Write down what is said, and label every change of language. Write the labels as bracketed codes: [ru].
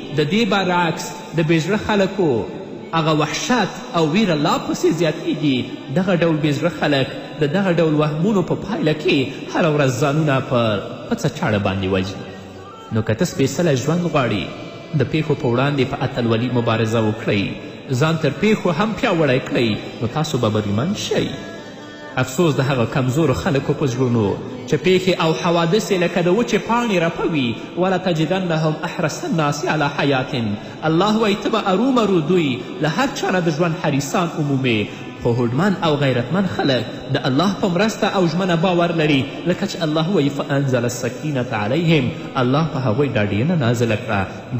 [ps] د دې برعکس د بې زړه خلکو هغه وحشت او ویره لا پسې زیاتیږي. دغه ډول بې زړه خلک د دغه ډول وهمونو په پایله کې هره ورځ ځانونه پر پڅه چاړه باندې وژني. نو که ته سپېڅلی ژوند غواړي، د پیښو په وړاندې په اتلولي مبارزه وکړئ، ځان تر پیښو هم پیاوړی کړئ، نو تاسو به بریمن شئ. افسوس د هغه کمزورو خلکو په زړونو چې پیښې او حوادث یې لکه د وچې پاڼې رپوي. [ar] ولا تجدنهم احرس الناس على حیات، [ps] الله وایي ته به ارومرو دوی له هر چا نه د ژوند حریصان عمومې. خو هوډمن او غیرتمن خلک د الله په مرسته او ژمنه باور لري، لکه چې الله وایي [ar] فانزل السکینة علیهم، [ps] الله په هغوی ډاډینه نازله کړه.